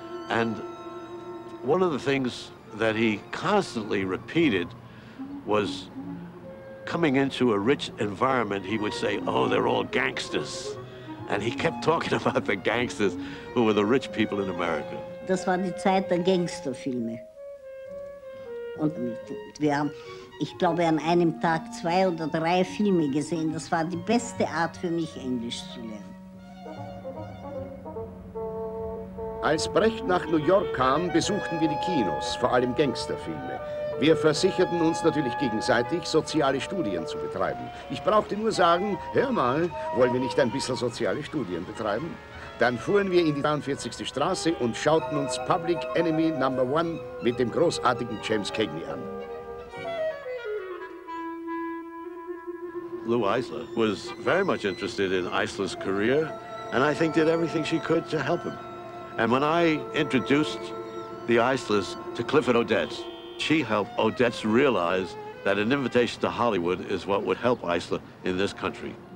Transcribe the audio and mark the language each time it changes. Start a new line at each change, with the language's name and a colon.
English: And one of the things that he constantly repeated was coming into a rich environment, he would say, oh, they're all gangsters. And he kept talking about the gangsters who were the rich people in America.
German: Das war die Zeit der Gangsterfilme. Und wir haben, ich glaube, an einem Tag 2 oder 3 Filme gesehen. Das war die beste Art für mich, Englisch zu lernen. Als Brecht nach New York kam, besuchten wir die Kinos, vor allem Gangsterfilme. Wir versicherten uns natürlich gegenseitig, soziale Studien zu betreiben. Ich brauchte nur sagen, hör mal, wollen wir nicht ein bisschen soziale Studien betreiben? Dann fuhren wir in die 43. Straße und schauten uns Public Enemy Number 1 mit dem großartigen James Cagney an.
English: Lou Eisler was very much interested in Eisler's career, and I think did everything she could to help him. And when I introduced the Eislers to Clifford Odets, she helped Odets realize that an invitation to Hollywood is what would help Eisler in this country.